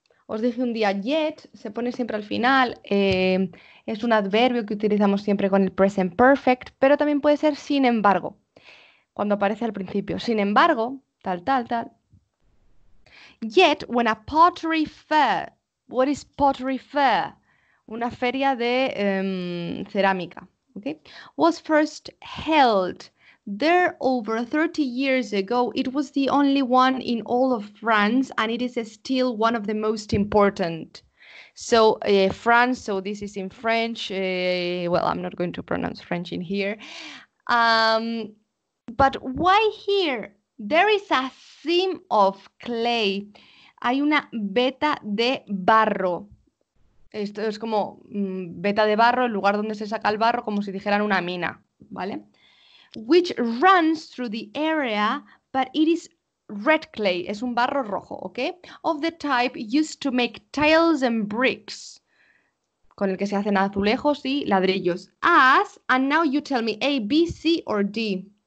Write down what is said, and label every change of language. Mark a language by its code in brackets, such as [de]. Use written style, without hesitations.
[es] Os dije un día, yet, se pone siempre al final, es un adverbio que utilizamos siempre con el present perfect, pero también puede ser sin embargo, cuando aparece al principio. Sin embargo, tal, tal, tal. [en] Yet, when a pottery fair, what is pottery fair? [es] Una feria de cerámica, okay? [en] Was first held there over 30 years ago, it was the only one in all of France, and it is still one of the most important. So, France, so this is in French. Well, I'm not going to pronounce French in here. But why here? There is a seam of clay. [es] Hay una veta de barro. Esto es como veta de barro, el lugar donde se saca el barro, como si dijeran una mina, ¿vale? [en] Which runs through the area, but it is red clay, [es] es un barro rojo, [en] okay? Of the type used to make tiles and bricks, [es] con el que se hacen azulejos y ladrillos. [en] As, and now you tell me A, B, C, or D.